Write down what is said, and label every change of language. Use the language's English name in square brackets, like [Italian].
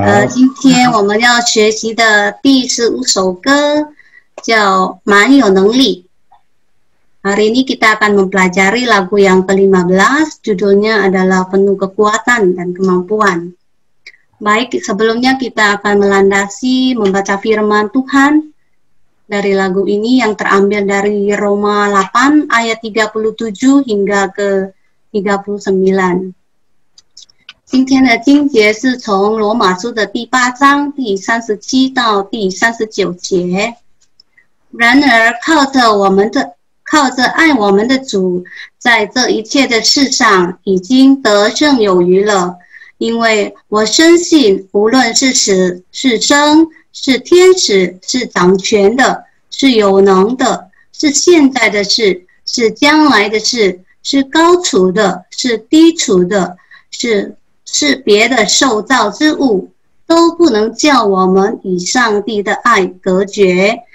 [Chinese] 今天我们要学习的第15首歌叫《蛮有能力》。 [Indonesian] Hari ini kita akan mempelajari lagu yang ke-15, judulnya adalah Penuh Kekuatan dan Kemampuan. Baik, sebelumnya kita akan melandasi membaca firman Tuhan dari lagu ini yang terambil dari Roma 8 ayat 37 hingga ke 39。 [Chinese] 今天的经节是从罗马书的第八章第37到第39节。然而靠着爱我们的主，在这一切的事上已经得胜有余了，因为我深信，无论是死是生，是天使是掌权的，是有能的，是现在的事是将来的事，是高处的是低处的，是别的受造之物，都不能叫我们与上帝的爱隔绝。